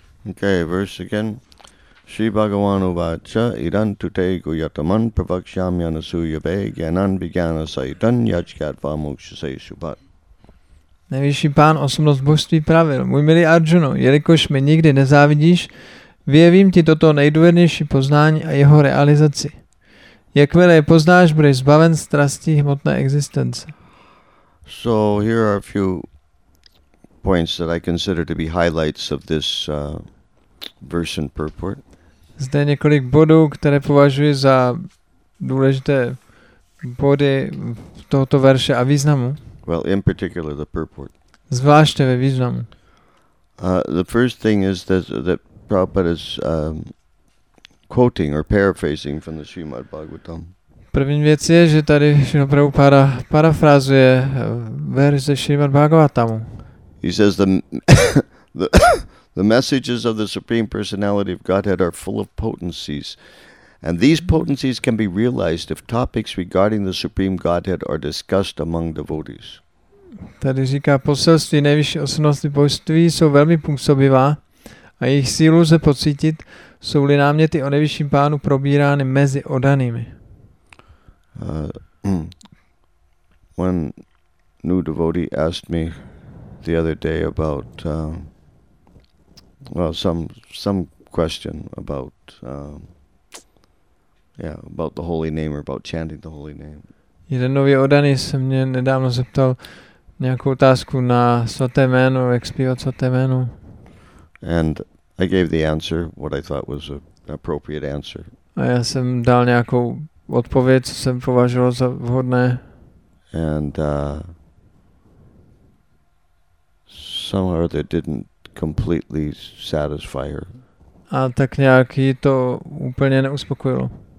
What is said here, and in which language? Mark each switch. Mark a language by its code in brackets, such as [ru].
[en] Okay, verse again. [sa] Shri Bhagavan uvacha idan tute guyataman pravakshyamyanasuyave gyanan vigyana saitan yajkatva mokshasai shubhat. [cs] Nejvyšší pán osobnost božství pravil: můj milý Arjuno, jelikož mi nikdy nezávidíš, vyjevím ti toto nejdůvěrnější poznání a jeho realizaci. Jakmile je poznáš, budeš zbaven strastí hmotné existence. [en] So here are a few points that I consider to be highlights of this verse and purport. [cs] Zde několik bodů, které považuji za důležité body tohoto verše a významu. [en] Well, in particular the purport. [cs] Zvláště ve významu. [en] The first thing is that Prabhupada is quoting or paraphrasing from the Srimad Bhagavatam. [cs] První věc je, že tady Srila Prabhupada parafrazuje verš ze Srimad Bhagavatamu. [en] He says the messages of the Supreme Personality of Godhead are full of potencies. And these potencies can be realized if topics regarding the Supreme Godhead are discussed among devotees. [cs] Tady říká, poselství nejvyšší osobnosti božství jsou velmi působivá a jejich sílu lze pocítit, jsou-li náměty o nejvyšším pánu probírány mezi oddanými. [en] One new devotee asked me the other day about well, some question about yeah, about the holy name or about chanting the holy name. [cs] Jeden nový oddaný se mě nedávno zeptal nějakou otázku na svaté jméno, jak zpívat svaté jméno. [en] And I gave the answer what I thought was an appropriate answer. [cs] A já jsem dal nějakou odpověď, co jsem považoval za vhodné. [en] And somehow that didn't completely satisfy her. [cs] A tak nějak jí to úplně neuspokojilo.